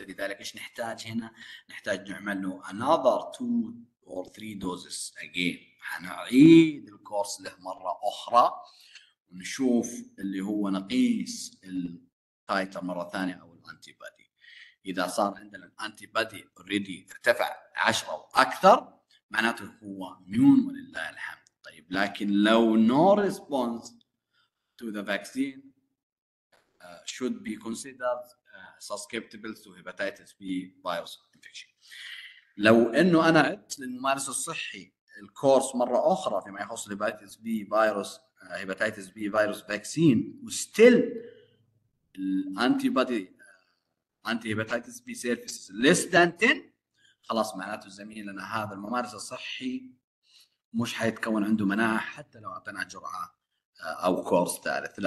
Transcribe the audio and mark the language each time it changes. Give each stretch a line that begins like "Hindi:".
Arabic: لذلك ايش نحتاج هنا؟ نحتاج نعمل له انذر
English: 2 or 3 doses again،
Arabic: حنعيد الكورس له مره اخرى ونشوف اللي هو نقيس التايتر مره ثانيه او الانتي بادي. اذا صار عندنا الانتي بادي اوريدي ارتفع 10 واكثر معناته هو ميون ولله الحمد. طيب لكن لو
English: No response to the vaccine should be considered susceptible to hepatitis B virus infection.
Arabic: لو انه انا عدت للممارس الصحي الكورس مره اخرى فيما يخص hepatitis B virus hepatitis B virus vaccine وستيل الانتيبادي انتي hepatitis B surface less than 10، خلاص معناته الزميل ان هذا الممارس الصحي مش حيتكون عنده مناعه حتى لو اعطينا جرعه او كورس ثالث.